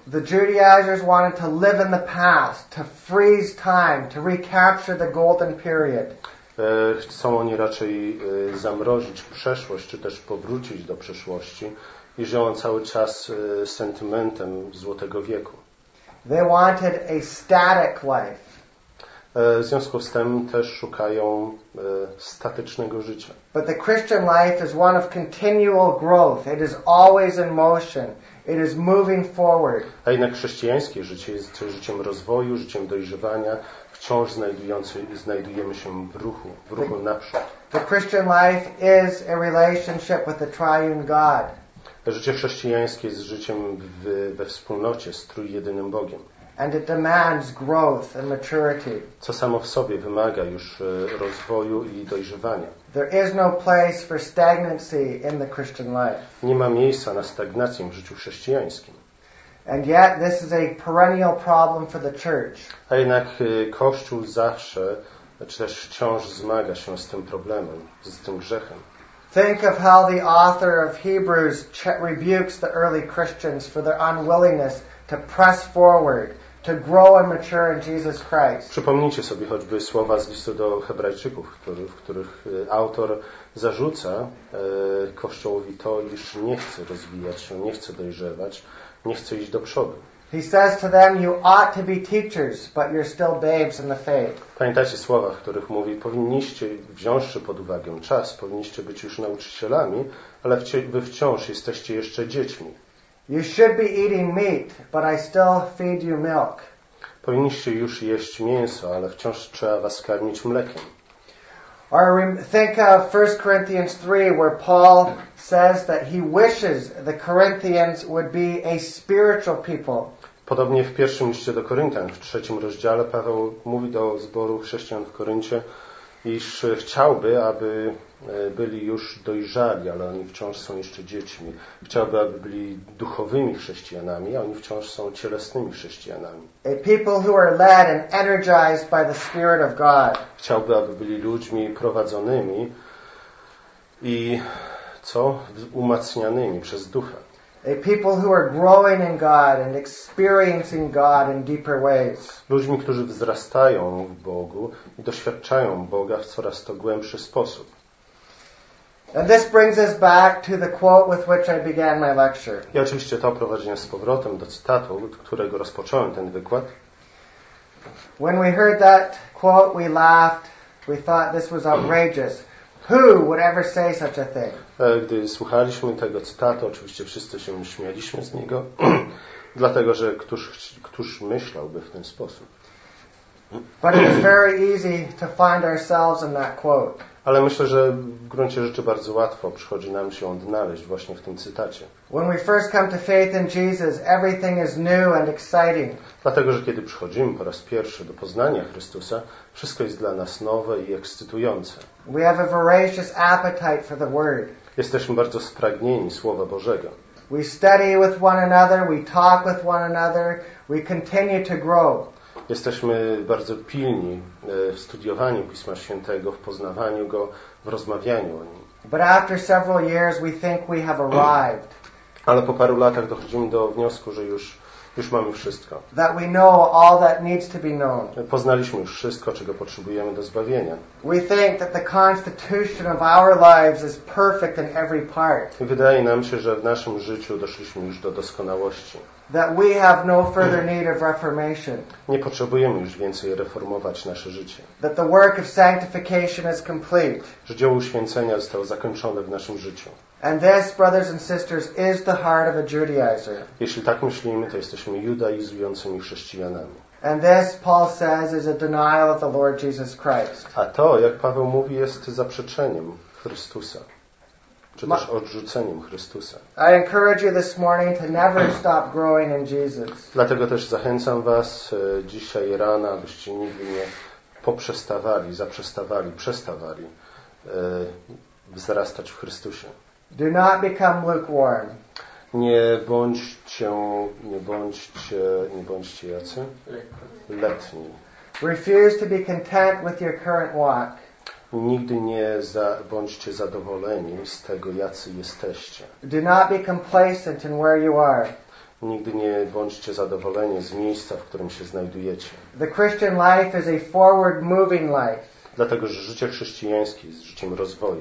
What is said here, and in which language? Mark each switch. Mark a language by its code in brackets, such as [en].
[en] The Judaizers wanted to live in the past, to freeze time, to recapture the golden period. [pl] Chcą oni raczej zamrozić przeszłość, czy też powrócić do przeszłości i żyją cały czas sentymentem złotego wieku. [en] They wanted a static life. [pl] W związku z tym też szukają statycznego życia. [en] But the Christian life is one of continual growth. It is always in motion. It is moving forward. [pl] A jednak chrześcijańskie życie jest życiem rozwoju, życiem dojrzewania, wciąż znajdujemy się w ruchu naprzód. [en] The Christian life is a relationship with the triune God. [pl] Życie chrześcijańskie jest życiem we wspólnocie z trójjedynym Bogiem. [en] And it demands growth and maturity. [pl] Co samo w sobie wymaga już rozwoju i dojrzewania. [en] There is no place for stagnancy in the Christian life. [pl] Nie ma miejsca na stagnację w życiu chrześcijańskim. [en] And yet this is a perennial problem for the church. [pl] A jednak Kościół zawsze, czy też wciąż zmaga się z tym problemem, z tym grzechem. [en] Think of how the author of Hebrews rebukes the early Christians for their unwillingness to press forward, to grow and mature in Jesus Christ. [pl] Przypomnijcie sobie choćby słowa z listu do Hebrajczyków, w których autor zarzuca Kościołowi to, iż nie chce rozwijać się, nie chce dojrzewać, nie chce iść do przodu. [en] He says to them, you ought to be teachers, but you're still babes in the faith. [pl] Pamiętacie słowa, w których mówi, powinniście, wziąwszy pod uwagę czas, powinniście być już nauczycielami, ale wy wciąż jesteście jeszcze dziećmi. [en] You should be eating meat, but I still feed you milk. [pl] Powinniście już jeść mięso, ale wciąż trzeba was karmić mlekiem. [en] Or think of 1 Corinthians 3, where Paul says that he wishes the Corinthians would be a spiritual people. [pl] Podobnie w pierwszym liście do Koryntian, w trzecim rozdziale, Paweł mówi do zboru chrześcijan w Koryncie, iż chciałby, aby byli już dojrzali, ale oni wciąż są jeszcze dziećmi. Chciałby, aby byli duchowymi chrześcijanami, a oni wciąż są cielesnymi chrześcijanami. [en] A people who are led and energized by the Spirit of God. [pl] Chciałby, aby byli ludźmi prowadzonymi i umacnianymi przez Ducha. [en] A people who are growing in God and experiencing God in deeper ways. [pl] Ludźmi, którzy wzrastają w Bogu i doświadczają Boga w coraz to głębszy sposób. [en] And this brings us back to the quote with which I began my lecture. [pl] I oczywiście to prowadzi nas z powrotem do cytatu, od którego rozpocząłem ten wykład. [en] When we heard that quote, we laughed. We thought this was outrageous. Who would ever say such a thing? [pl] Gdy słuchaliśmy tego cytatu, oczywiście wszyscy się śmialiśmy z niego, dlatego że któż myślałby w ten sposób? [en] But it's very easy to find ourselves in that quote. [pl] Ale myślę, że w gruncie rzeczy bardzo łatwo przychodzi nam się odnaleźć właśnie w tym cytacie. [en] When we first come to faith in Jesus, everything is new and exciting. [pl] Dlatego, że kiedy przychodzimy po raz pierwszy do poznania Chrystusa, wszystko jest dla nas nowe i ekscytujące. [en] We have a voracious appetite for the word. [pl] Jesteśmy bardzo spragnieni Słowa Bożego. [en] We study with one another, we talk with one another, we continue to grow. [pl] Jesteśmy bardzo pilni w studiowaniu Pisma Świętego, w poznawaniu Go, w rozmawianiu o Nim. [en] But after several years we think we have arrived. [pl] Ale po paru latach dochodzimy do wniosku, że już mamy wszystko. [en] That we know all that needs to be known. [pl] Poznaliśmy już wszystko, czego potrzebujemy do zbawienia. [en] We think that the constitution of our lives is perfect in every part. [pl] Wydaje nam się, że w naszym życiu doszliśmy już do doskonałości. [en] That we have no further need of reformation. [pl] Nie potrzebujemy już więcej reformować nasze życie. [en] That the work of sanctification is complete. [pl] Że dzieło uświęcenia zostało zakończone w naszym życiu. [en] And this, brothers and sisters, is the heart of a Judaizer. [pl] Jeśli tak myślimy, to jesteśmy judaizującymi chrześcijanami. [en] And this, Paul says, is a denial of the Lord Jesus Christ. [pl] A to, jak Paweł mówi, jest zaprzeczeniem Chrystusa. czy też odrzuceniem Chrystusa. [en] I encourage you this morning to never stop growing in Jesus. [pl] Dlatego też zachęcam was dzisiaj rano, abyście nigdy nie poprzestawali, zaprzestawali, przestawali wzrastać w Chrystusie. [en] Do not become lukewarm. [pl] Nie bądźcie jacy? Letni. [en] Refuse to be content with your current walk. [pl] Nigdy nie bądźcie zadowoleni z tego, jacy jesteście. [en] Do not be complacent in where you are. [pl] Nigdy nie bądźcie zadowoleni z miejsca, w którym się znajdujecie. [en] The Christian life is a forward moving life. [pl] Dlatego, że życie chrześcijańskie jest życiem rozwoju.